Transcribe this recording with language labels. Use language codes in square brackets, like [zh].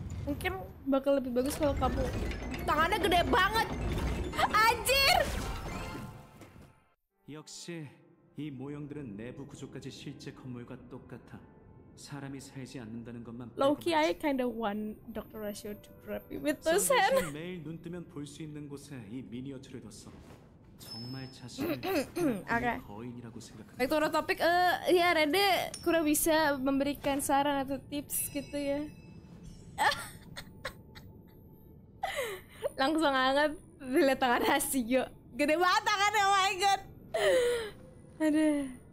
[id] Mungkin bakal lebih bagus kalau kamu. Tangannya gede banget. Anjir. [ko] 역시 이 모형들은 내부 구조까지 실제 건물과 똑같아 사람이 살지 않는다는 것만 [en] Loki, I kind of want Dr. Ratio to grab me with this hand. [ko] 매일 눈 뜨면 볼 수 있는 곳에 이 미니어처를 뒀어. 정말 자신있는 거인이라고 생각한다. [en] Back to the topic. [id] Ya, Rene kurang bisa memberikan saran atau tips gitu ya. Langsung hangat dilihat tangan Hasio. Gede banget tangannya, [en] oh my god. [id] Aduh.